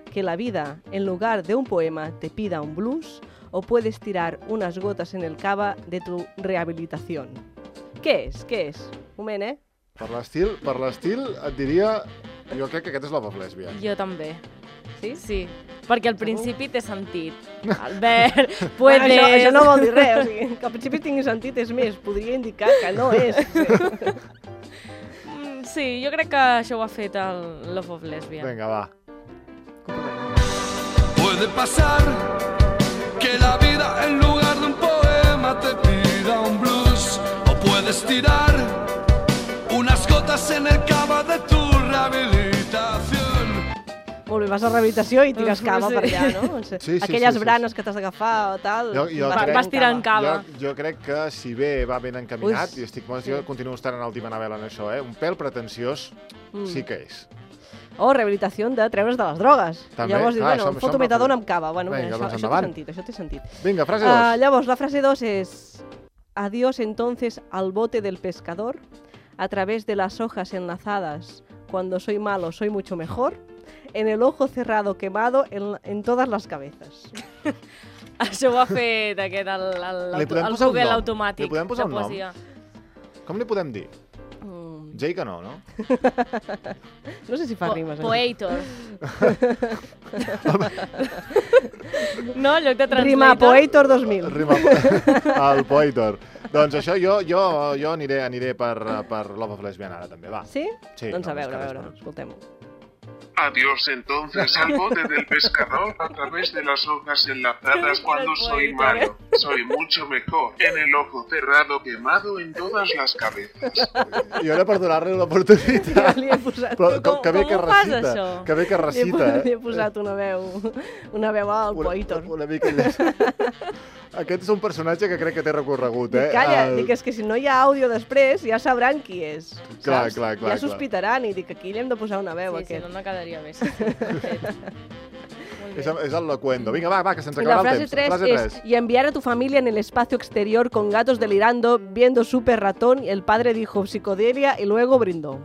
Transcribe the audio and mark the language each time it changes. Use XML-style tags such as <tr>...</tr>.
<es>que la vida, en lugar de un poema, te pida un blues, o puedes tirar unas gotas en el cava de tu rehabilitación.</es> <ca>Què és? Què és? Un moment, eh? Per l'estil, et diria... Jo crec que aquest és Love of Lesbian. Jo també. Sí? Sí. Perquè al principi té sentit.</ca> <es>Albert, puedes... Bueno,</es> <ca>això no vol dir res. O sigui, que al principi tingui sentit és més. Podria indicar que no és. Sí, jo crec que això ho ha fet el Love of Lesbian. Vinga, va.</ca> <es>Puede pasar que la vida en lugar de un poema te pida un blues. O puedes tirar unas gotas en el cava de tu rehabilitación.</es> <ca>Molt bé, vas a rehabilitació i tires cava per allà, no? Sí, sí. Aquelles sí, sí, branes sí. Que t'has d'agafar o tal, vas tirant cava. Jo crec que si bé va ben encaminat, ui, i estic molt, sí. Jo continuo estant en l'última novel·la en això, eh? Un pèl pretensiós sí que és. O rehabilitació de treure's de les drogues. També? Llavors dius, bueno, fotometadona amb cava. Bueno, vinga, això, doncs això té sentit, això té sentit. Vinga, frase 2. Llavors, la frase 2 és...</ca> <es>Adiós, entonces, al bote del pescador, a través de las hojas enlazadas, cuando soy malo, soy mucho mejor, en el ojo cerrado, quemado, en todas las cabezas.</es> <ca>Això ho ha fet aquest, el Google automàtic. Li podem posar un nom? Com li podem dir? Jake no, no? No sé si fa rimes. Poeitor. No, en lloc de translator. Rima Poeitor 2000. Rima el Poeitor. Doncs això, jo aniré per Love of Lesbian ara també, va. Sí? Sí. Doncs no, a veure, escoltem-ho.</ca> <es>Adiós, entonces, al bote del pescador, a través de las hojas enlazadas, cuando soy malo, soy mucho mejor, en el ojo cerrado, quemado, en todas las cabezas.</es> <ca>I ara per donar-li l'oportunitat. Ja li he posat... Però, que bé que com recita, ho fas, això? Que bé que recita, eh? Li he posat una veu al Poeitor. Una mica llest. Aquest és un personatge que crec que té recorregut, eh? Calla, dic, és que si no hi ha àudio després, ja sabran qui és. Clar, saps? Clar, clar. Ja sospitaran clar. I dic, aquí li hem de posar una veu, sí, aquest. Sí, no me quedaria més. És el locuendo. Vinga, va, que se'ns acabarà el temps. La frase 3 és...</ca> <es>Y enviar a tu familia en el espacio exterior con gatos delirando, viendo Super Ratón, el padre dijo psicodelia y luego brindó.</es>